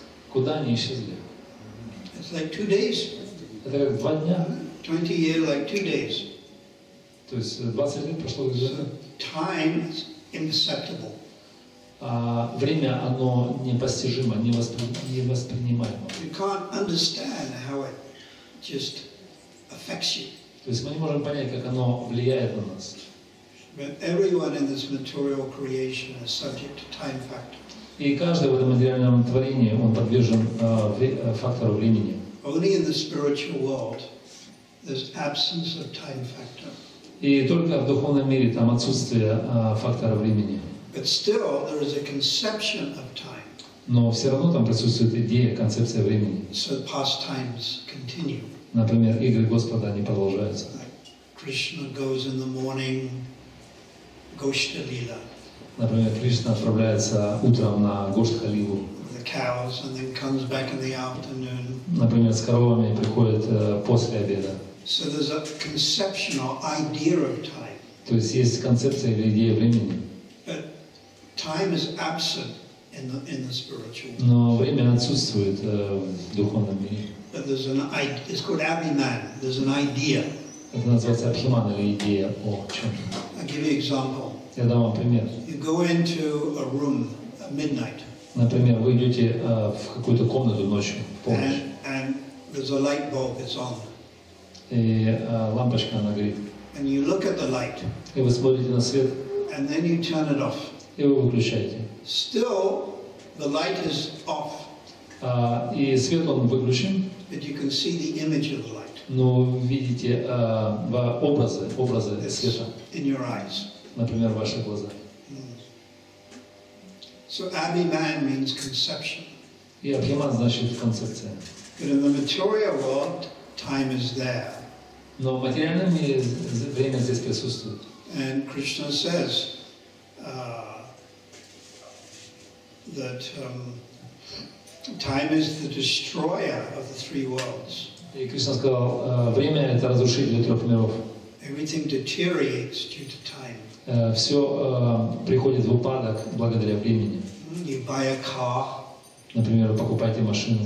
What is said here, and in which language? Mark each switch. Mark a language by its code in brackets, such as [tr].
[ru] Куда они исчезли? [en] It's like 2 days. [ru] Это как 2 дня. [en] 20 years like 2 days. [ru] То есть 20 лет прошло как [en] so time is imperceptible. [ru] Время оно непостижимо, невоспринимаемо. [en] You can't understand how it just affects you. [ru] То есть мы не можем понять, как оно влияет на нас. [en] But everyone in this material creation is subject to time factor. [ru] И каждый в этом материальном творении он подвержен фактору времени. [en] Only in the spiritual world there's absence of time factor. [ru] И только в духовном мире там отсутствие фактора времени. [en] But still, there is a conception of time. [ru] Но все равно там присутствует идея, концепция времени. [en] So past times continue. [ru] Например, игры Господа не продолжаются. [en] Like Krishna goes in the morning, Goshta Lila. [ru] Например, Кришна отправляется утром на Гоштха Лилу. [en] The cows and then comes back in the afternoon. [ru] Например, с коровами приходит после обеда. [en] So there's a conceptual idea of time. [ru] То есть есть концепция или идея времени. [en] But time is absent in the spiritual. [ru] Но время отсутствует в духовном мире. [en] But there's an idea. It's called abhimana. There's an idea. [ru] Это называется абхимана, или идея о чем-то. [en] I'll give you an example. [ru] Я дам вам пример. [en] You go into a room at midnight. [ru] Например, вы идете в какую-то комнату ночью, [en] And there's a light bulb that's on. [ru] Лампочка, она горит. [en] And you look at the light. [ru] И вы смотрите на свет. [en] And then you turn it off. [ru] И вы выключаете. [en] Still, the light is off. [ru] И свет он выключен. [en] But you can see the image of the light. [ru] Но вы видите образы света. [en] In your eyes. [ru] Например, ваши глаза. [en] So abhiman means conception. [ru] И абхиман значит концепция. [en] But in the material world, time is there. [ru] Но в материальном мире время здесь присутствует. [en] And Krishna says that time is the destroyer of the three worlds. [ru] И Кришна сказал, время это разрушитель трех миров. [en] Everything deteriorates due to time. [ru] Все приходит в упадок благодаря времени. [en] You buy a car. [ru] Например, вы покупаете машину.